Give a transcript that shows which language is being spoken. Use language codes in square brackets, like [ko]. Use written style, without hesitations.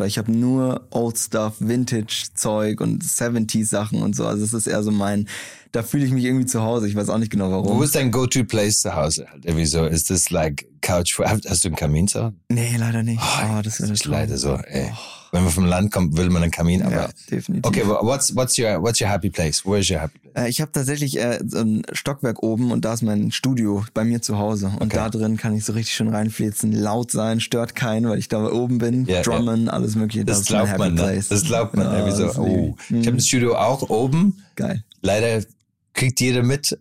[de] Weil ich habe nur Old Stuff, Vintage-Zeug und 70s-Sachen und so. Also es ist eher so mein... Da fühle ich mich irgendwie zu Hause. Ich weiß auch nicht genau, warum. Wo ist dein Go-To-Place zu Hause? Irgendwie so, ist das like Couch? Hast du einen Kamin zu Hause? Nee, leider nicht. Oh, das ist das leider so. Ey. Oh. Wenn man vom Land kommt, will man einen Kamin. Aber ja, definitiv. [en] Okay, what's your happy place? Where's your happy place? [de] Ich habe tatsächlich so ein Stockwerk oben und da ist mein Studio bei mir zu Hause. Und da drin kann ich so richtig schön reinflitzen, laut sein, stört keinen, weil ich da oben bin. Yeah, drummen, yeah. Alles mögliche. Das glaubt ist mein happy man, place. Das glaubt man. Ja, irgendwie so, oh. Ich habe ein Studio auch oben. Geil. Leider kriegt jeder mit,